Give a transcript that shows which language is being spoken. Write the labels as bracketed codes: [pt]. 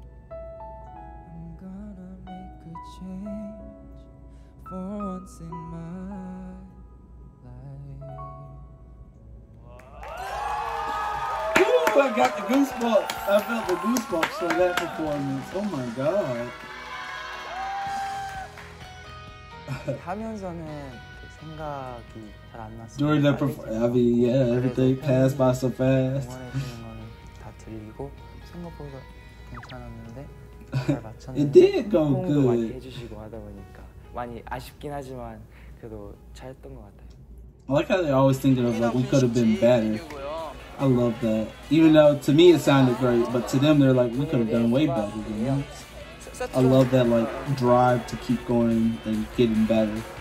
[en] I'm gonna make a change for once in my life. Ooh, I got the goosebumps. I felt the goosebumps for that performance. Oh my god. [ko] 하면서는 생각이 잘 안 났어요. [en] During that performance, yeah, everything passed by so fast. [ko] 다 들리고 생각보다 괜찮았는데 잘 맞췄는데 호응도 많이 해주시고 하다 보니까 많이 아쉽긴 하지만 그래도 잘했던 것 같아요. [en] Like how they're always thinking of like we could have been better. I love that. Even though to me it sounded great, but to them they're like we could have done way better than you. I love that like drive to keep going and getting better.